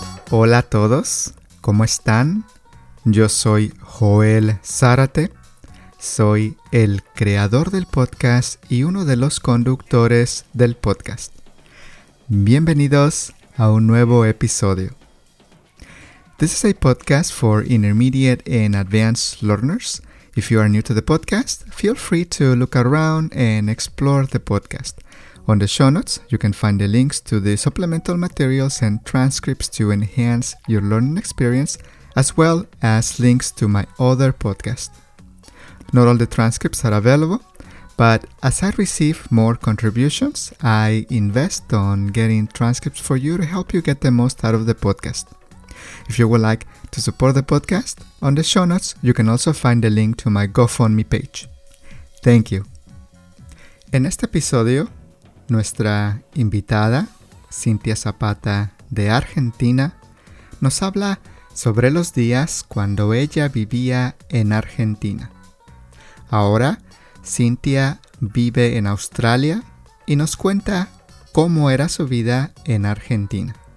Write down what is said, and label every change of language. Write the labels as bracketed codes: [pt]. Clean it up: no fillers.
[es] Hola a todos, ¿cómo están? Yo soy Joel Zárate, soy el creador del podcast y uno de los conductores del podcast. Bienvenidos a un nuevo episodio. [en] This is a podcast for intermediate and advanced learners. If you are new to the podcast, feel free to look around and explore the podcast. On the show notes, you can find the links to the supplemental materials and transcripts to enhance your learning experience, as well as links to my other podcast. Not all the transcripts are available, but as I receive more contributions, I invest on getting transcripts for you to help you get the most out of the podcast. If you would like to support the podcast, on the show notes, you can also find the link to my GoFundMe page. Thank you. [es] En este episodio, nuestra invitada, Cintia Zapata, de Argentina, nos habla sobre los días cuando ella vivía en Argentina. Ahora, Cintia vive en Australia y nos cuenta cómo era su vida en Argentina.